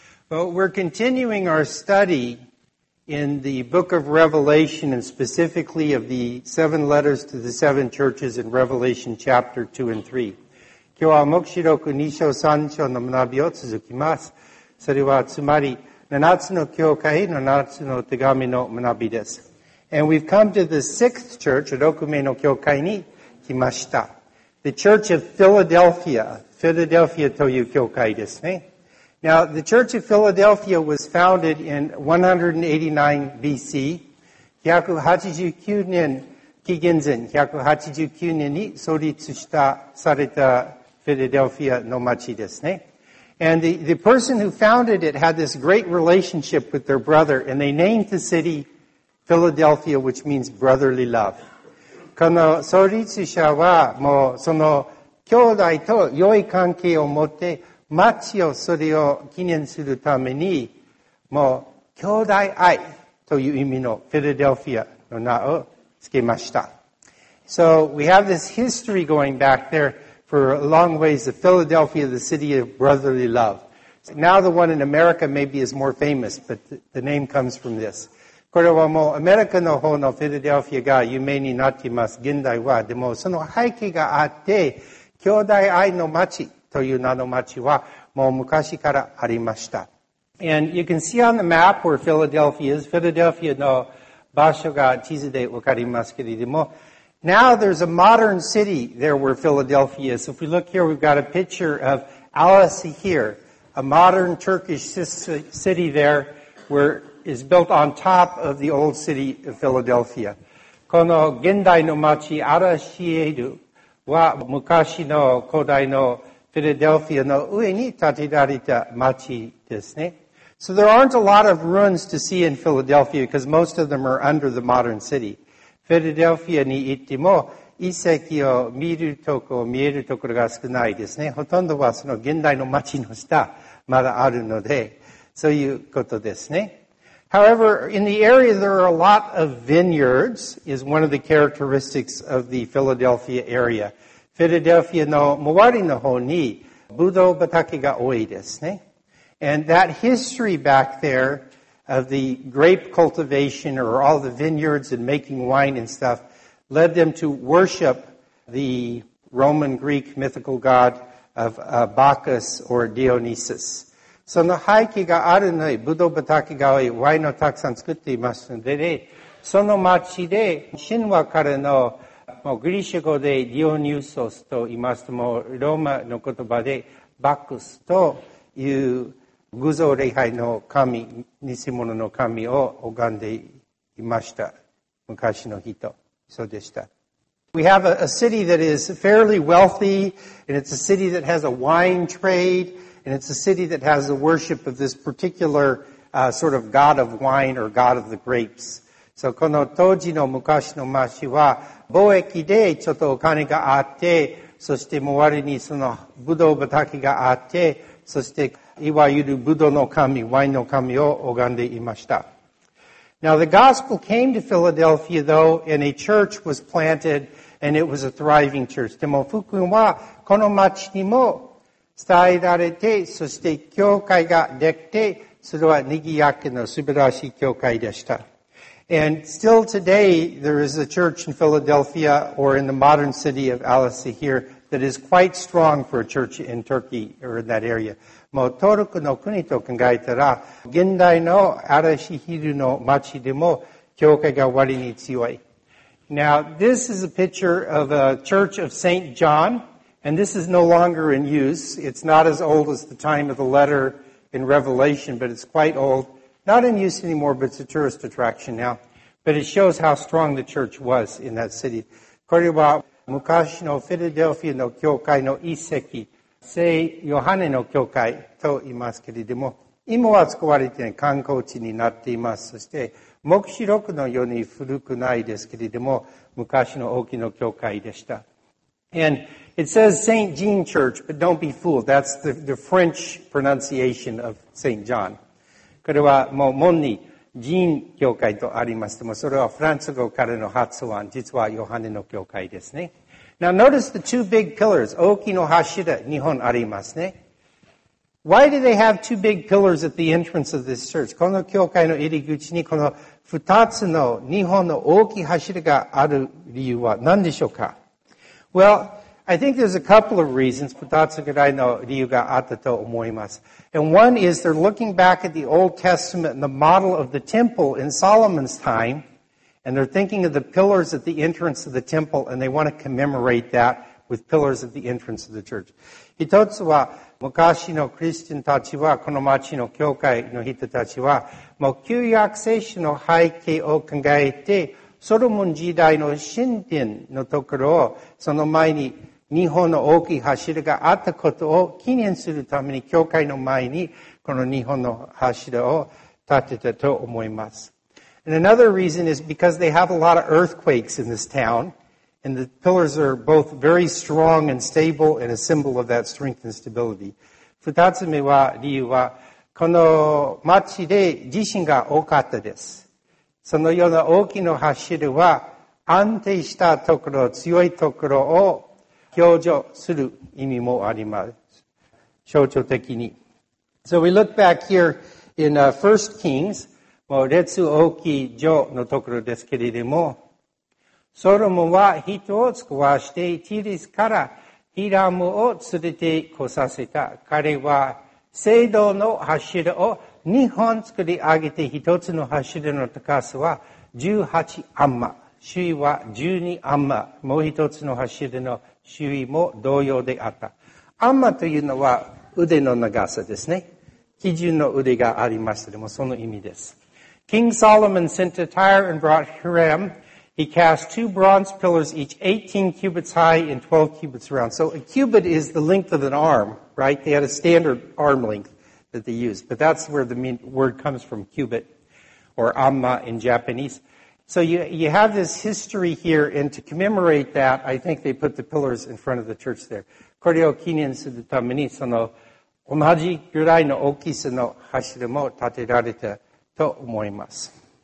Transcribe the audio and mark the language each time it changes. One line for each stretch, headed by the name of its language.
English: Well, we're continuing our study in the book of Revelation and specifically of the seven letters to the seven churches in Revelation chapter 2 and 3.
Japanese: 今日は黙示録2章3章の学びを続きます。それはつまり7つの教会の7つの手紙の学びです。
English: And we've come to the sixth church,
Japanese: 6名の教会に来ました。
English: The Church of Philadelphia,
Japanese: Philadelphia という教会ですね。
English: Now, the Church of Philadelphia was founded in 189 BC,
Japanese: 189年紀元前189年に創立したされたフィラデルフィアの町ですね。
English: And the person who founded it had this great relationship with their brother, and they named the city Philadelphia, which means brotherly love.
Japanese: この創立者はもうその兄弟と良い関係を持って、町をそれを記念するために、もう兄弟愛という意味のフィラデルフィアの名を付けました。
English: So we have this history going back there for a long ways, the Philadelphia, the city of brotherly love. Now the one in America maybe is more famous, but the name comes from this.
Japanese: これはもうアメリカの方のフィラデルフィアが有名になっています、現代は。でもその背景があって、兄弟愛の町、という名の町はもう昔からありました。
English: And you can see on the map where Philadelphia is.
Japanese: Philadelphia の場所が地図でわかりますけれども、
English: Now there's a modern city there where Philadelphia is. If we look here, we've got a picture of Alasahir, a modern Turkish city there where is built on top of the old city of Philadelphia.
Japanese: この現代の町アラシエルは昔の古代のフィラデルフィアの上に建てられた町ですね。
English: So there aren't a lot of ruins to see in Philadelphia because most of them are under the modern city.
Japanese: フィラデルフィアに行っても遺跡を見るところ、見えるところが少ないですね。ほとんどはその現代の町の下まだあるので、そういうことですね。
English: However, in the area there are a lot of vineyards is one of the characteristics of the Philadelphia area.
Japanese: フィラデルフィアの周りの方にブドウ畑が多いですね。
English: And that history back there of the grape cultivation or all the vineyards and making wine and stuff led them to worship the Roman Greek mythical god of Bacchus or Dionysus.
Japanese: その背景があるのにブドウ畑が多い、ワインをたくさん作っていますので、ね、その町で神話からのもうグリシャ語でディオニュソスと言いますともうローマの言葉でバックスという偶像礼拝の神偽物の神を拝んでいました昔の人そうでした
English: We have a city that is fairly wealthy and it's a city that has a wine trade and it's a city that has the worship of this particular sort of god of wine or god of the grapes
Japanese: so この当時の昔の町は貿易でちょっとお金があって、そして周りにそのブドウ畑があって、そしていわゆるブドウの神、ワインの神を拝んでいました。
English: Now the gospel came to Philadelphia though, and a church was planted, and it was a thriving church.
Japanese: でも福音はこの町にも伝えられて、そして教会ができて、それは賑やかな素晴らしい教会でした。
English: And still today, there is a church in Philadelphia or in the modern city of Alasahir that is quite strong for a church in Turkey or in that area.
Japanese: もうトルコの国と考えたら、現代のアラシヒルの町でも教会が割に強い。
English: Now, this is a picture of a church of St. John, and this is no longer in use. It's not as old as the time of the letter in Revelation, but it's quite old. Not in use anymore, but it's a tourist attraction now. But it shows how strong the church was in that city.
Japanese: これは昔のフィラデルフィアの教会の遺跡、聖ヨハネの教会と言いますけれども、今は使われて観光地になっています。そして、黙示録のように古くないですけれども、昔の大きな教会でした。
English: And it says Saint Jean Church, but don't be fooled. That's the French pronunciation of Saint John.
Japanese: これはもう門にジーン教会とありますけども、それはフランス語からの発音、実はヨハネの教会ですね。
English: Now notice the two big pillars,
Japanese: 大きな柱、2本ありますね。
English: Why do they have two big pillars at the entrance of this church?
Japanese: この教会の入り口にこの二つの日本の大きい柱がある理由は何でしょうか?
English: Well, I think there's a couple of reasons
Japanese: 二つぐらいの理由があったと思います。
English: And one is they're looking back at the Old Testament and the model of the temple in Solomon's time, and they're thinking of the pillars at the entrance of the temple, and they want to commemorate that with pillars at the entrance of the church.
Japanese: 一つは昔のクリスチャンたちは、この町の教会の人たちは、もう旧約聖書の背景を考えて、ソロモン時代の神殿のところを、その前に日本の大きい柱があったことを記念するために、教会の前にこの日本の柱を立てたと思います。
English: And another reason is because they have a lot of earthquakes in this town. And the pillars are both very strong and stable and a symbol of that strength and stability.
Japanese: 二つ目は理由は、この町で地震が多かったです。そのような大きな柱は安定したところ、強いところを強調する意味もあります。象徴的に。
English: So we look back here in 1 Kings,
Japanese: もう列王記上のところですけれども、ソロモンは人を使わしてティリスからヒラムを連れて来させた。彼は聖堂の柱を2本作り上げて1つの柱の高さは18アンマ。周囲は12アンマ。もう1つの柱の周囲も同様であった。アンマというのは腕の長さですね。基準の腕がありますけれども、その意味です。
English: King Solomon sent to Tyre and brought Hiram. He cast two bronze pillars, each 18 cubits high and 12 cubits round. So a cubit is the length of an arm, right? They had a standard arm length that they used. But that's where the word comes from, cubit, or amma in Japanese. So you have this history here, and to commemorate that, I think they put the pillars in front of the church there.
Japanese: これを記念するためにその同じぐらいの大きさの柱も立てられたと思います。